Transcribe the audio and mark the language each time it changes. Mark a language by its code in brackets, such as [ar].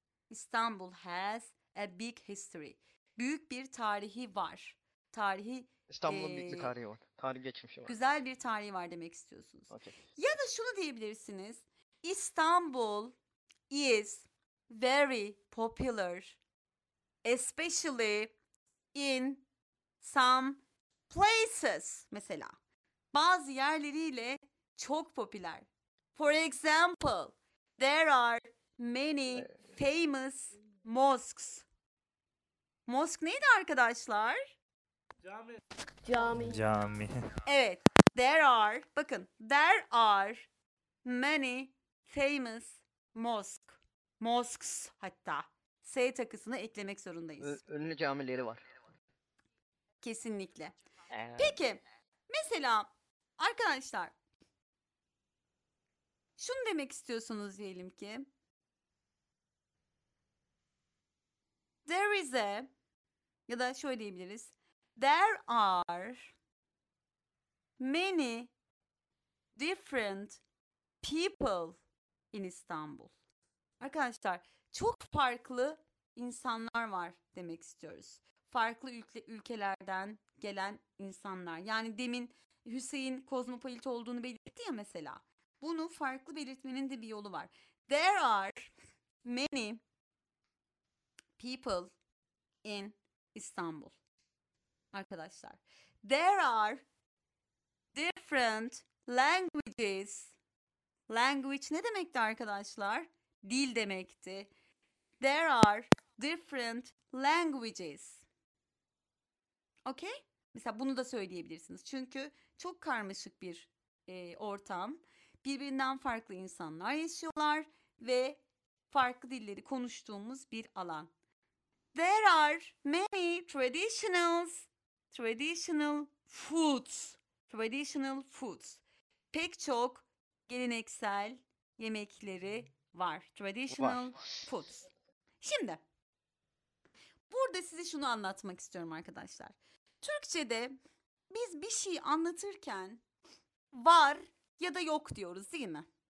[en] İstanbul has a big history. [tr] Büyük bir tarihi var. Tarihi İstanbul'un büyük bir tarihi var. Tarih geçmişi var. Güzel bir tarihi var demek istiyorsunuz. Okay. Ya da şunu diyebilirsiniz. [en] İstanbul is very popular, especially in some places. [tr] Mesela bazı yerleriyle çok popüler. [en] For example, there are many famous mosques. [tr] Mosque neydi arkadaşlar? Cami. Cami. Cami. Evet, [en] there are, [tr] bakın, [en] there are many famous mosque, mosques [tr] hatta. S takısını eklemek zorundayız. Ünlü camileri var. Kesinlikle. Peki, mesela arkadaşlar, şunu demek istiyorsunuz diyelim ki, [en] there is a, [tr] ya da şöyle diyebiliriz, [en] there are many different people in İstanbul. [tr] Arkadaşlar, çok farklı insanlar var demek istiyoruz. Farklı ülkelerden gelen insanlar. Yani demin Hüseyin kozmopolit olduğunu belirtti ya mesela. Bunu farklı belirtmenin de bir yolu var. [en] There are many people in İstanbul. Arkadaşlar, there are different languages. [tr] Language ne demekti arkadaşlar? Dil demekti. [en] There are different languages. Okay? [tr] Mesela bunu da söyleyebilirsiniz. Çünkü çok karmaşık bir ortam. Birbirinden farklı insanlar yaşıyorlar ve farklı dilleri konuştuğumuz bir alan. [en] There are many traditionals. Traditional foods. Traditional foods. [tr] Pek çok geleneksel yemekleri var. [en] Traditional foods. [tr] Şimdi burada size şunu anlatmak istiyorum arkadaşlar. Türkçe'de biz bir şey anlatırken var ya da yok diyoruz, değil mi?